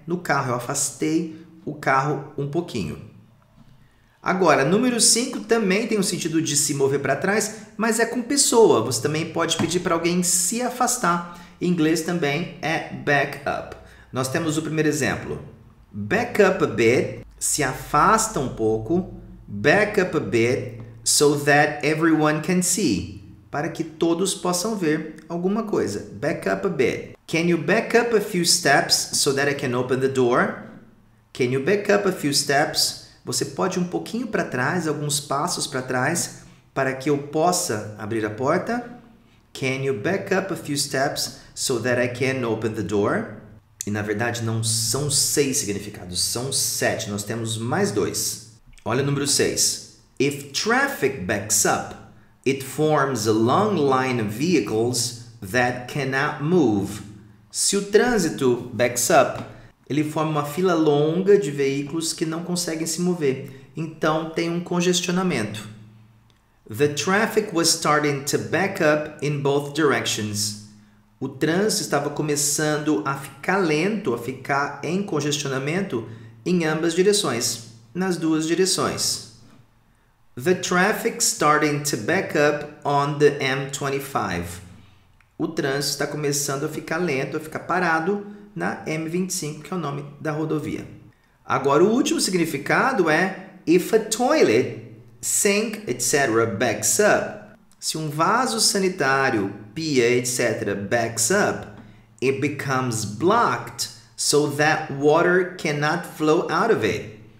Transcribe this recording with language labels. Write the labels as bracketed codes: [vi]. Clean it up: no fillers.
[pt] no carro. Eu afastei o carro um pouquinho. Agora, número 5 também tem o sentido de se mover para trás, mas é com pessoa. Você também pode pedir para alguém se afastar. Em inglês também é back up. Nós temos o primeiro exemplo. [en] Back up a bit, [pt] se afasta um pouco. [en] Back up a bit so that everyone can see. [pt] Para que todos possam ver alguma coisa. [en] Back up a bit. Can you back up a few steps so that I can open the door? Can you back up a few steps? [pt] Você pode ir um pouquinho para trás, alguns passos para trás, para que eu possa abrir a porta? [en] Can you back up a few steps so that I can open the door? [pt] E na verdade não são 6 significados, são 7. Nós temos mais 2. Olha o número 6. [en] If traffic backs up, it forms a long line of vehicles that cannot move. [pt] Se o trânsito backs up, ele forma uma fila longa de veículos que não conseguem se mover. Então, tem um congestionamento. [en] The traffic was starting to back up in both directions. [pt] O trânsito estava começando a ficar lento, a ficar em congestionamento em ambas direções, nas duas direções. [en] The traffic starting to back up on the M25. [pt] O trânsito está começando a ficar lento, a ficar parado na M25, que é o nome da rodovia. Agora, o último significado é [en] if a toilet sink, etc., backs up. [pt] Se um vaso sanitário, pia, [en] etc., backs up, it becomes blocked so that water cannot flow out of it.